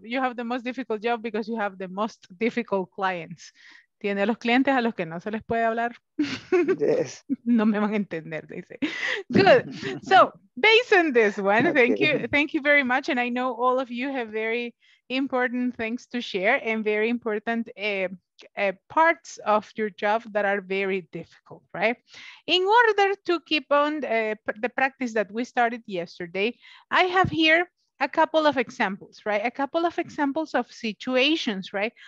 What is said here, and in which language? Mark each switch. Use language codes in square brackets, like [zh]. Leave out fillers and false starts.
[en] You have the most difficult job because you have the most difficult clients. [es] Tiene los clientes a los que no se les puede hablar. [en] Yes. [es] No me van a entender, [en] they say. Good. So, based on this one, thank you very much. And I know all of you have very important things to share and very important parts of your job that are very difficult, right? In order to keep on the practice that we started yesterday, I have here a couple of examples, right? A couple of examples of situations, right?